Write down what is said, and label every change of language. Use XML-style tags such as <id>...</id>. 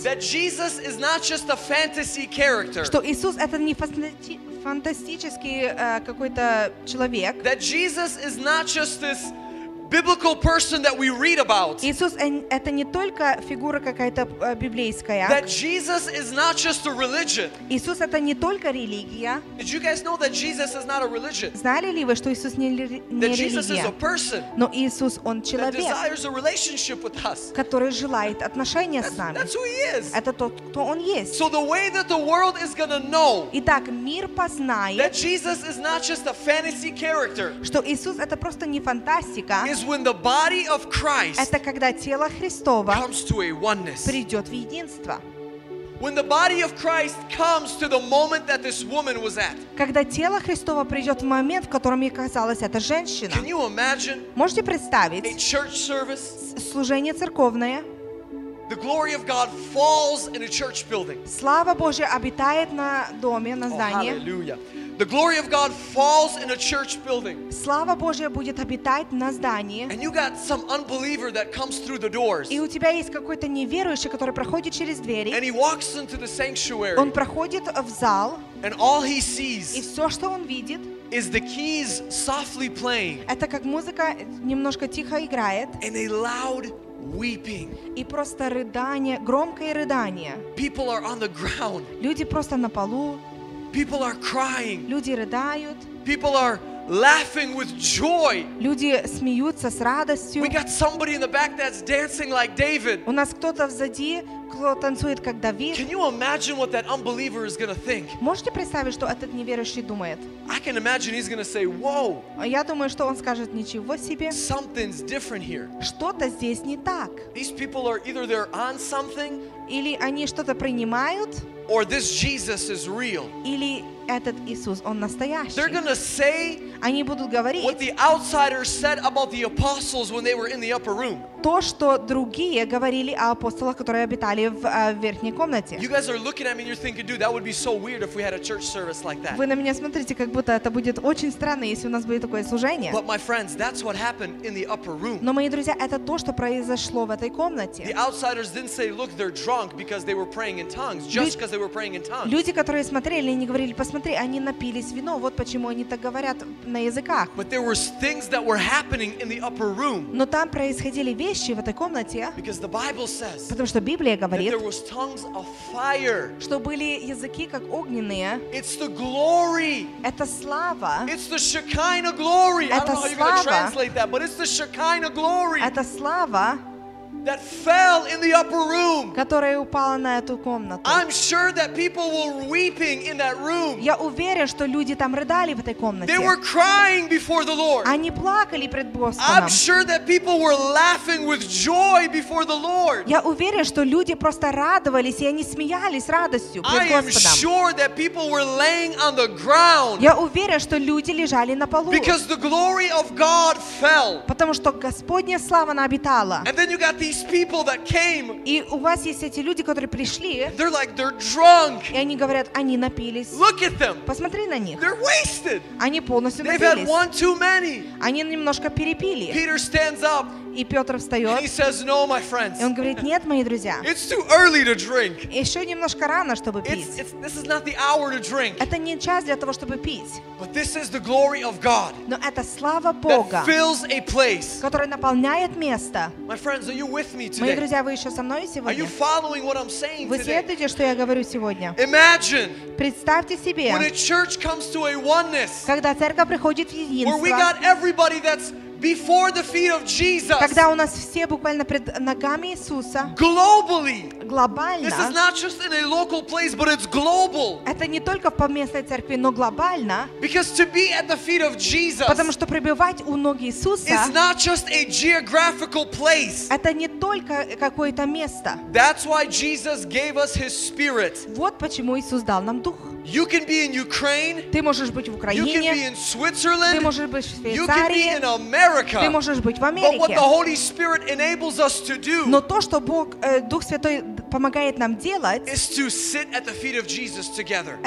<en>That Jesus is not just a fantasy character.</en> <ru>Что Иисус это не фантастический какой-то человек.</ru> <en>That Jesus is not just this biblical person that we read about.</en> <ru>Иисус это не только фигура какая-то библейская.</ru> <en>That Jesus is not just a religion.</en> <ru>Иисус это не только религия.</ru> <en>Did you guys know that Jesus is not a religion?</en> <ru>Знали ли вы, что Иисус не религия?</ru> <en>That Jesus is a person.</en> <ru>Но Иисус он человек.</ru> <en>That desires a relationship with us.</en> <ru>Который желает отношения с нами.</ru> <en>That's who he is.</en> <ru>Это тот, кто он есть.</ru> <en>So the way that the world is gonna know.</en> <ru>Итак, мир познает.</ru> <en>That Jesus is not just a fantasy character.</en> <ru>Что Иисус это просто не фантастика.</ru> <en>Is when the body of Christ</en> <ru>это когда тело Христово</ru> <en>comes to a oneness.</en> <ru>Придет в единство.</ru> <en>When the body of Christ comes to the moment that this woman was at.</en> <ru>Когда тело Христово придет в момент, в котором ей казалась эта женщина.</ru> <en>Can you imagine?</en> <ru>Можете представить?</ru> <en>A church service.</en> <ru>Служение церковное.</ru> <en>The glory of God falls in a church building.</en> <ru>Слава Божья обитает на доме, на здании.</ru> <en>Hallelujah. The glory of God falls in a church building.</en> <ru>Слава Божья будет обитать на здании.</ru> <en>And you got some unbeliever that comes through the doors.</en> <ru>И у тебя есть какой-то неверующий, который проходит через двери.</ru> <en>And he walks into the sanctuary.</en> <ru>Он проходит в зал.</ru> <en>And all he sees.</en> <ru>И все, что он видит.</ru> <en>Is the keys softly playing.</en> <ru>Это как музыка немножко тихо играет.</ru> <en>And a loud weeping.</en> <ru>И просто рыдание, громкое рыдание.</ru> <en>People are on the ground.</en> <ru>Люди просто на полу.</ru> <en>People are crying.</en> <ru>Люди рыдают.</ru> <en>People are laughing with joy.</en> <ru>Люди смеются с радостью.</ru> <en>We got somebody in the back that's dancing like David.</en> <ru>У нас кто-то сзади, кто танцует как Давид.</ru> <en>Can you imagine what that unbeliever is going to think?</en> <ru>Можете представить, что этот неверующий думает?</ru> <en>I can imagine he's going to say, "Whoa!"</en> <ru>Я думаю, что он скажет: "Ничего себе!"</ru> <en>Something's different here.</en> <ru>Что-то здесь не так.</ru> <en>These people are either they're on something.</en> <ru>Или они что-то принимают.</ru> <en>Or this Jesus is real.</en> <ru>Или этот Иисус, он настоящий.</ru> <en>They're gonna say</en> <ru>они будут говорить</ru> <en>what the outsiders said about the apostles when they were in the upper room.</en> <ru>То, что другие говорили о апостолах, которые обитали в верхней комнате.</ru> <en>You guys are looking at me and you're thinking, dude, that would be so weird if we had a church service like that.</en> <ru>Вы на меня смотрите, как будто это будет очень странно, если у нас будет такое служение.</ru> <en>But my friends, that's what happened in the upper room.</en> <ru>Но мои друзья, это то, что произошло в этой комнате.</ru> <en>The outsiders didn't say, look, they're drunk because they were praying in tongues, just because they were praying in tongues.</en> <ru>Люди, которые смотрели, не говорили: посмотри, они напились вино, вот почему они так говорят на языках.</ru> <en>But there were things that were happening in the upper room.</en> <ru>Но там происходили вещи в этой комнате.</ru> <en>Because the Bible says.</en> <ru>Потому что Библия говорит.</ru> <en>That there was tongues of fire.</en> <ru>Что были языки как огненные.</ru> <en>It's the glory.</en> <ru>Это слава.</ru> <en>It's the Shekinah glory.</en> <ru>Это слава.</ru> <en>I don't know how you're going to translate that, but it's the Shekinah glory.</en> <ru>Это слава.</ru> <en>That fell in the upper room.</en> <ru>Которая упала на эту комнату.</ru> <en>I'm sure that people were weeping in that room.</en> <ru>Я уверен, что люди там рыдали в этой комнате.</ru> <en>They were crying before the Lord.</en> <ru>Они плакали пред Господом.</ru> <en>I'm sure that people were laughing with joy before the Lord.</en> <ru>Я уверен, что люди просто радовались, и они смеялись радостью пред Господом.</ru> <en>I am sure that people were laying on the ground.</en> <ru>Я уверен, что люди лежали на полу.</ru> <en>Because the glory of God fell.</en> <ru>Потому что Господня слава обитала.</ru> <en>And then you got these people that came.</en> <ru>И у вас есть эти люди, которые пришли.</ru> <en>They're like they're drunk.</en> <ru>И они говорят, они напились.</ru> <en>Look at them.</en> <ru>Посмотри на них.</ru> <en>They're wasted.</en> <ru>Они полностью напились.</ru> <en>They've had one too many.</en> <ru>Они немножко перепили.</ru> <en>Peter stands up.</en> <ru>И Петр встает.</ru> <en>He says, "No, my friends."</en> <ru>И он говорит, нет, мои друзья.</ru> <en>It's too early to drink.</en> <ru>Еще немножко рано, чтобы пить.</ru> <en>This is not the hour to drink.</en> <ru>Это не час для того, чтобы пить.</ru> <en>But this is the glory of God.</en> <ru>Но это слава Бога.</ru> <en>That fills a place.</en> <ru>Которая наполняет место.</ru> <en>My friends, are you with me today?</en> <ru>Мои друзья, вы еще со мной сегодня?</ru> <en>Are you following what I'm saying today?</en> <ru>Вы следуете, что я говорю сегодня?</ru> <en>Imagine.</en> <ru>Представьте себе.</ru> <en>When a church comes to a oneness.</en> <ru>Когда церковь приходит в единство.</ru> <en>Where we got everybody that's before the feet of Jesus.</en> <ru>Когда у нас все буквально пред ногами Иисуса.</ru> <en>Globally.</en> <ru>глобально.</ru> <en>This is not just in a local place, but it's global.</en> <ru>Это не только в поместной церкви, но глобально.</ru> <en>Because to be at the feet of Jesus.</en> <ru>Потому что пребывать у ног Иисуса.</ru> <en>It's not just a geographical place.</en> <ru>Это не только какое-то место.</ru> <en>That's why Jesus gave us His Spirit.</en> <ru>Вот почему Иисус дал нам Дух.</ru> <en>You can be in Ukraine.</en> <ru>Ты можешь быть в Украине.</ru> <en>You can be in Switzerland.</en> <ru>Ты можешь быть в Швейцарии.</ru> <en>You can be in America.</en> <ru>Ты можешь быть в Америке.</ru> <en>But what the Holy Spirit enables us to do.</en> <ru>Но то, что Бог, Дух Святой помогает нам делать,</ru> <en>is to sit at the feet of Jesus together.</en>